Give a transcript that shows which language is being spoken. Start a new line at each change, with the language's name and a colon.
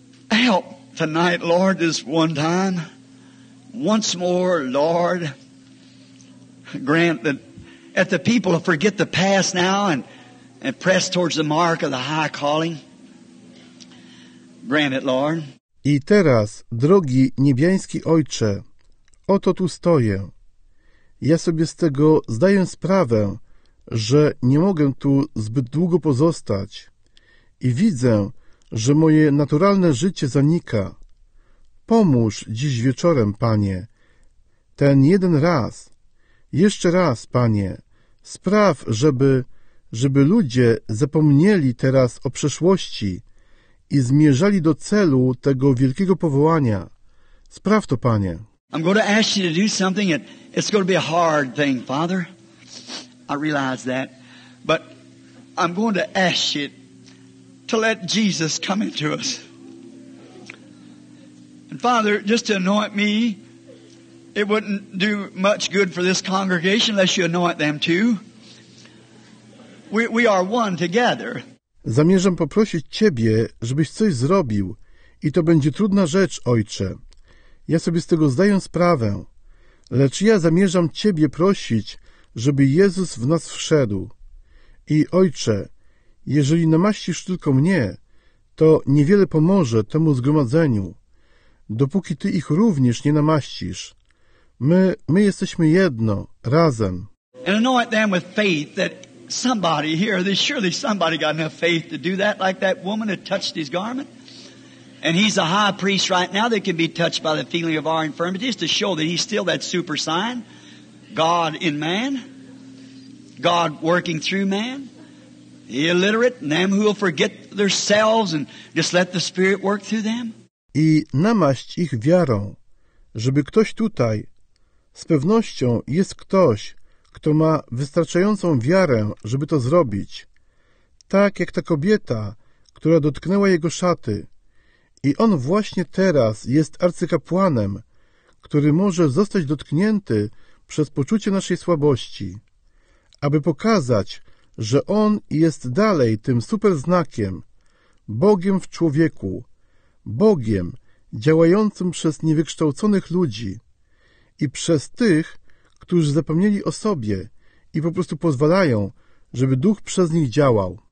English: Help tonight, Lord, this one time. Once more, Lord, grant that the people will forget the past now and press towards the mark of the high calling. Grant it, Lord.
Polish: I teraz, drogi niebiański Ojcze, oto tu stoję. Ja sobie z tego zdaję sprawę, że nie mogę tu zbyt długo pozostać i widzę, że moje naturalne życie zanika. Pomóż dziś wieczorem, Panie, ten jeden raz. Jeszcze raz, Panie, spraw, żeby ludzie zapomnieli teraz o przeszłości i zmierzali do celu tego wielkiego powołania. Spraw to, Panie.
English: I'm going to ask you to do something, and it's going to be a hard thing, Father. I realize that. But I'm going to ask you to let Jesus come into us. And Father, just to anoint me, it wouldn't do much good for this congregation unless you anoint them too. We are one together.
Polish: Zamierzam poprosić Ciebie, żebyś coś zrobił i to będzie trudna rzecz, Ojcze. Ja sobie z tego zdaję sprawę, lecz ja zamierzam Ciebie prosić, żeby Jezus w nas wszedł. I Ojcze, jeżeli namaścisz tylko mnie, to niewiele pomoże temu zgromadzeniu, dopóki Ty ich również nie namaścisz. My jesteśmy jedno, razem.
English: And anoint them with faith that somebody here, there's surely somebody got enough faith to do that, like that woman that touched his garment. And he's a high priest right now that can be touched by the feeling of our infirmities to show that he's still that super sign, God in man, God working through man, the illiterate, and them who will forget themselves and just let the Spirit work through them.
Polish: I namaść ich wiarą, żeby ktoś tutaj, z pewnością jest ktoś, kto ma wystarczającą wiarę, żeby to zrobić. Tak jak ta kobieta, która dotknęła jego szaty. I on właśnie teraz jest arcykapłanem, który może zostać dotknięty przez poczucie naszej słabości, aby pokazać, że on jest dalej tym super znakiem, Bogiem w człowieku, Bogiem działającym przez niewykształconych ludzi i przez tych, którzy zapomnieli o sobie i po prostu pozwalają, żeby Duch przez nich działał.